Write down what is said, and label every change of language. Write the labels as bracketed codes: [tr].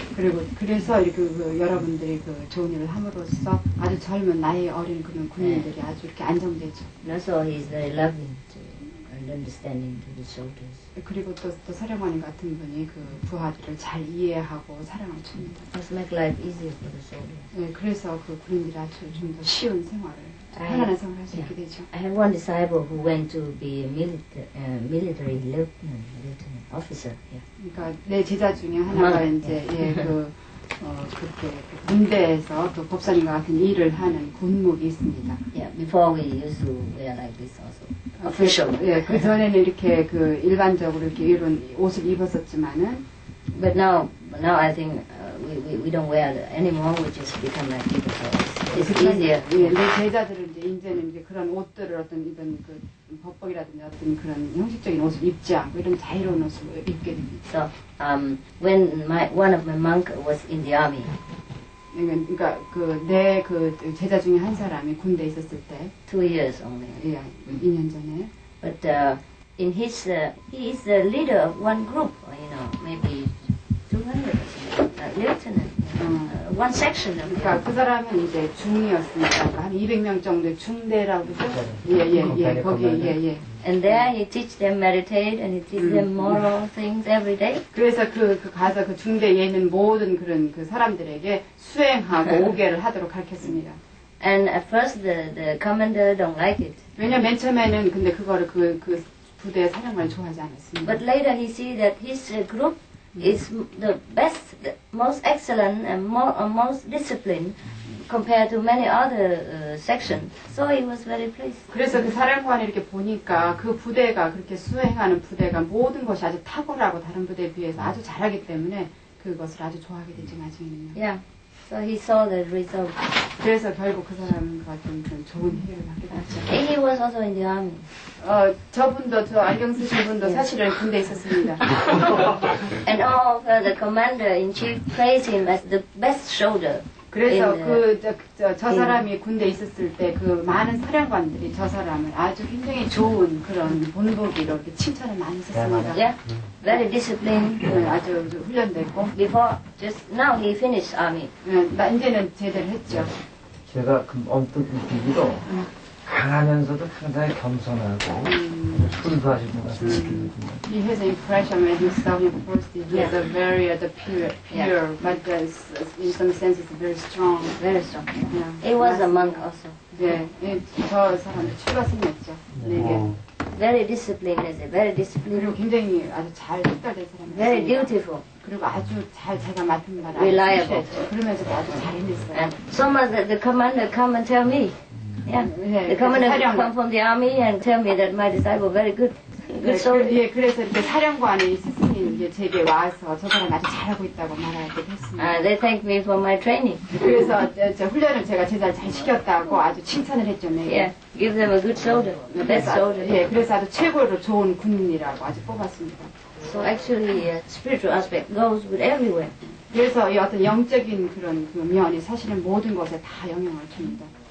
[ko] 그리고 그래서 이렇게 그 여러분들이 그 좋은 일을 함으로써 아주 젊은 나이 어린 그런 군인들이 아주 이렇게 안정되죠. [en] Also he is very loving to and understanding to the soldiers. [ko] 그리고 또 사령관 같은 분이 그 부하들을 잘 이해하고 사랑을 줍니다. [en] Just make life easier for the soldiers. [ko] 네, 그래서 그 군인들이 아주 좀 더 쉬운 생활을 편안한 생활을 할 수 있게 되죠. [en] I have one disciple who went to be a military lieutenant officer. Yeah. [ko] 그러니까 내 제자 중에 하나가 이제 그렇게 군대에서 또 법사님과 같은 일을 하는 군목이 있습니다. [en] Yeah, before we used to wear like this also. Official. [ko] 예, 그 전에는 이렇게 그 일반적으로 이렇게 이런 옷을 입었었지만은. [en] But now I think we don't wear anymore. We just become like this. So it's easier. [ko] 예, 내 제자들은 이제는 이제 그런 옷들을 어떤 이런 그 법복이라든지 어떤 그런 형식적인 옷을 입지 않고 이런 자유로운 옷을 입게 됩니다. [en] So when one of my monk was in the army. [ko] 그러니까 내 제자 중에 한 사람이 군대에 있었을 때 [en] 2 years only. [ko] 예, 2년 전에. [en] But in his he is the leader of one group, you know, maybe 200 lieutenant. One section of [ko] 그러니까 그 사람은 이제 중이었으니까 한 200명 정도의 중대라고 해서 예. [en] And there he teach them meditate and he teach them moral things every day. [ko] 그래서 그 가서 그 중대에 있는 모든 그런 그 사람들에게 수행하고 오계를 하도록 가르쳤습니다. [en] And at first the commander don't like it. [ko] 왜냐면 맨 처음에는 근데 그거를 그 부대의 사령관이 좋아하지 않았습니다. [en] But later he see that his group is the best, the most excellent and most disciplined. Compared to many other sections, so he was very pleased. [ko] 그래서 그 사령관이 이렇게 보니까 그 부대가 그렇게 수행하는 부대가 모든 것이 아주 탁월하고 다른 부대에 비해서 아주 잘하기 때문에 그것을 아주 좋아하게 되지 나중에는요. [en] Yeah. So he saw the result. [ko] 그래서 결국 그 사람과 좀 좋은 해결을 받게 됐죠. [en] He was also in the army. [ko] 저분도 저 안경 쓰신 분도 yes. 사실은 군대에 있었습니다. [en] And all of the commander in chief praised him as the best soldier. [ko] 그래서 그 저 사람이 군대에 있었을 때 그 많은 사령관들이 저 사람을 아주 굉장히 좋은 그런 본보기로 이렇게 칭찬을 많이 했었습니다. [en] Yeah. Very disciplined. [ko] 네, 아주 훈련됐고. [en] Before just now he finished army. [ko] 네, 이제는 제대로 했죠. 제가 그 언뜻 느끼기로 강하면서도 굉장히 겸손하고 순수하신 것 같아요. 이 회사 [en] impression when he saw him first, he was yeah. a very the pure, yeah. but in some sense it's very strong. Very strong. Yeah. It was a monk also. [ko] 네, 저 사람 출가 스님이었죠. [en] very disciplined, very disciplined. [ko] 그리고 굉장히 아주 잘 훈련된 사람이었어요. [en] Very beautiful. [ko] 그리고 아주 잘 제가 맡은 말 [en] reliable. [ko] 그러면서도 아주 잘 했어요. [en] So much the commander come and tell me. Yeah, the commander come from the army and tell me that my disciple very good, good soldier. [ko] 예, 그래서 이렇게 사령관이 스승이 이제 제게 와서 저 사람 아주 잘하고 있다고 말할 때 했습니다. [en] They thank me for my training. [ko] 그래서 저 훈련을 제가 제자를 잘 시켰다고 아주 칭찬을 했죠, 네. [en] Yeah, give them a good soldier, the best soldier. [ko] 예, 그래서 아주 최고로 좋은 군인이라고 아주 뽑았습니다. [en] So actually, spiritual aspect goes with everywhere. [ko] 그래서 이 어떤 영적인 그런 그 면이 사실은 모든 것에 다 영향을 줍니다.